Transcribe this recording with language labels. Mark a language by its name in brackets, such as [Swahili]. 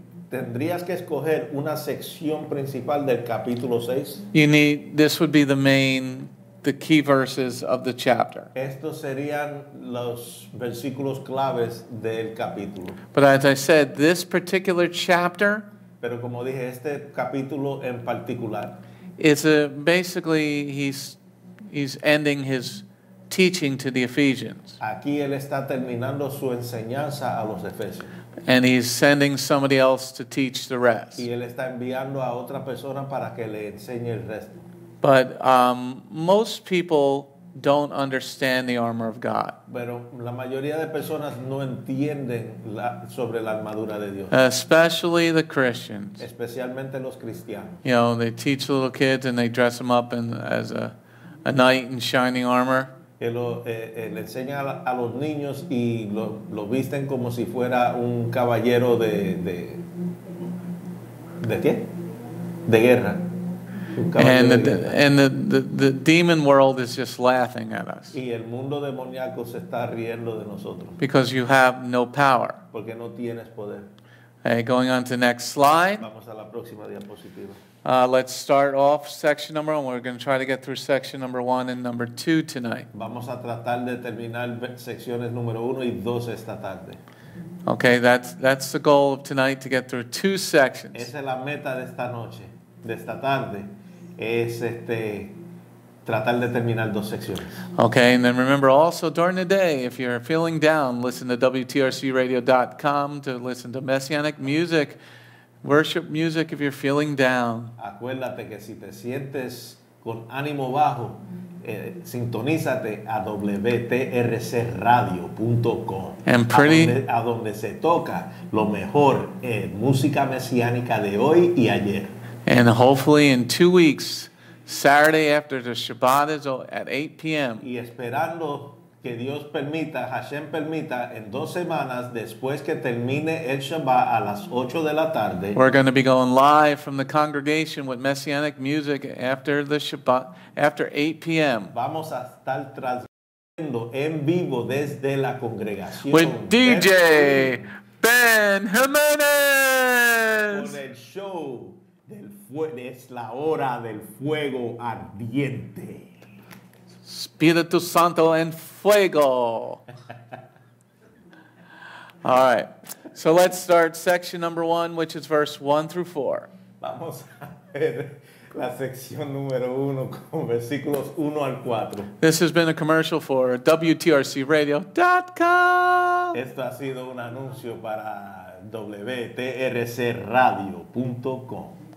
[Spanish] Tendrías que escoger una sección principal del capítulo 6. [English] You need, this would be the key verses of the chapter. [Spanish] Estos serían los versículos claves del capítulo. [English] But as I said, this particular chapter, [Spanish] pero como dije, este capítulo en particular, [English] is basically he's ending his teaching to the Ephesians. [Spanish] Aquí él está terminando su enseñanza a los Efesios. [English] And he's sending somebody else to teach the rest. [Spanish] Y él está enviando a otra persona para que le enseñe el resto. [English] But most people don't understand the armor of God. [Spanish] Pero la mayoría de personas no entienden sobre la armadura de Dios. [English] Especially the Christians. [Spanish] Especialmente los cristianos. [English] You know, they teach little kids and they dress them up as a knight in shining armor. [Spanish] Le enseñan a los niños y lo visten como si fuera un caballero de qué? De guerra. [English] And the demon world is just laughing at us. [Spanish] Y el mundo demoníaco se está riendo de nosotros. [English] Because you have no power. [Spanish] Porque no tienes poder. [English] Okay, going on to the next slide. [Spanish] Vamos a la próxima diapositiva. [English] Let's start off section number 1. We're going to try to get through section number 1 and number 2 tonight. [Spanish] Vamos a tratar de terminar secciones número 1 y 2 esta tarde. [English] Okay, that's the goal of tonight, to get through two sections. [Spanish] Esa es la meta de esta noche, de esta tarde, es tratar de terminar dos secciones. [English] Okay, and then remember also during the day, if you're feeling down, listen to WTRCradio.com to listen to Messianic music. Worship music if you're feeling down. [Spanish] Acuérdate que si te sientes con ánimo bajo, sintonízate a WTRCradio.com. [English] And pretty, [Spanish] a donde se toca lo mejor en música mesiánica de hoy y ayer. [English] And hopefully in 2 weeks, Saturday after the Shabbat is at 8 p.m. [Spanish] Y esperando que Dios permita, Hashem permita, en 2 semanas después que termine el Shabbat a las 8 de la tarde. [English] We're going to be going live from the congregation with Messianic music after the Shabbat, after 8 p.m. [Spanish] Vamos a estar transmitiendo en vivo desde la congregación. [English] With DJ Ben Jimenez. [Spanish] Con el show del fuego, es la hora del fuego ardiente. Espíritu Santo en fuego. [English] All right. So let's start section number 1, which is verse 1 through 4. [Spanish] Vamos a ver la sección número 1 con versículos 1 al 4. [English] This has been a commercial for WTRCradio.com. [Spanish] Esto ha sido un anuncio para WTRCradio.com.